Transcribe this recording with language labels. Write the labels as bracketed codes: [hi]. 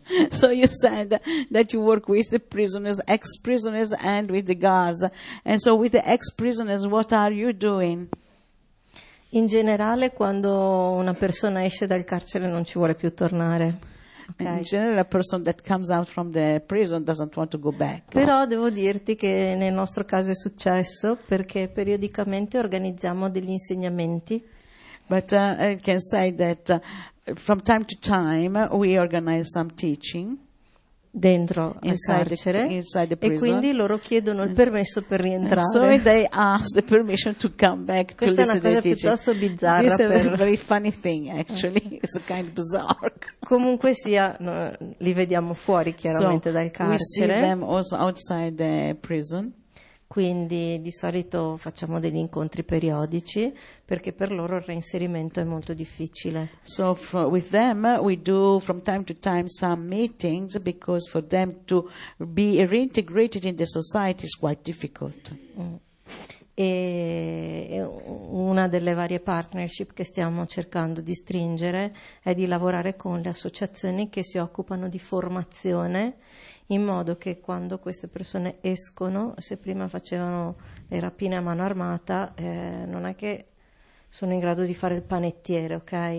[en] So you said that you work with the prisoners, ex-prisoners and with the guards, and so with the ex-prisoners what are you doing? [it] In generale quando una persona esce dal carcere non ci vuole più tornare. [en] Okay. In general, a person that comes out from the prison doesn't want to go back. [it] Però devo dirti che nel nostro caso è successo perché periodicamente organizziamo degli insegnamenti. [en] But I can say that from time to time we organize some teaching [it] dentro al carcere, [en] inside the prison. [it] E quindi loro chiedono il permesso per rientrare. [en] So they ask the permission to come back to listen to teaching. [it] Questa è una cosa piuttosto bizzarra. [en] This [it] per... [en] is a very funny thing, actually. It's a kind of bizarre. [it] Comunque sia, no, li vediamo fuori chiaramente [en] so [it] dal carcere. [en] We see them also outside the prison. [it] Quindi di solito facciamo degli incontri periodici perché per loro il reinserimento è molto difficile. [en] So with them we do from time to time some meetings because for them to be reintegrated in the society is quite difficult. [it] E una delle varie partnership che stiamo cercando di stringere è di lavorare con le associazioni che si occupano di formazione in modo che quando queste persone escono, se prima facevano le rapine a mano armata, non è che sono in grado di fare il panettiere, ok?